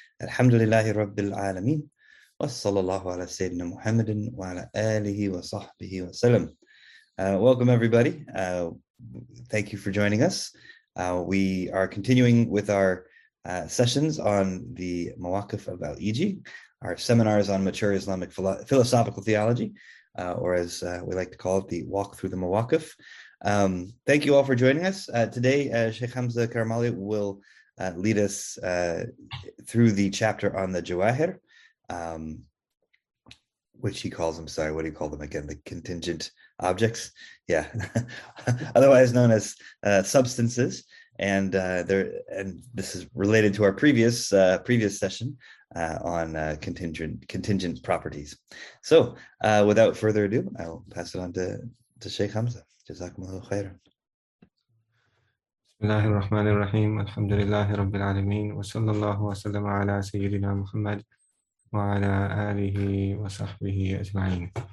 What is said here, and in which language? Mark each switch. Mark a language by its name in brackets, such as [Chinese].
[Arabic] الحمد لله رب العالمين، وصلى الله على سيدنا محمد وعلى آله وصحبه وسلم. [English] Welcome everybody. Thank you for joining us. We are continuing with our sessions on the Mawaqif of Al-Iji, our seminars on mature Islamic philosophical theology, or as we like to call it, the walk through the Mawaqif. Thank you all for joining us. Today, Sheikh Hamza Karamali will lead us through the chapter on the Jawahir, which he calls them, sorry, what do you call them again? The contingent objects? Yeah, otherwise known as substances. And this is related to our previous session on contingent properties. So without further ado, I'll pass it on to Sheikh Hamza. Jazakumullah khairan. [Arabic] بسم الله الرحمن الرحيم الحمد لله رب العالمين وصلى الله وسلم على سيدنا محمد وعلى آله وصحبه أجمعين.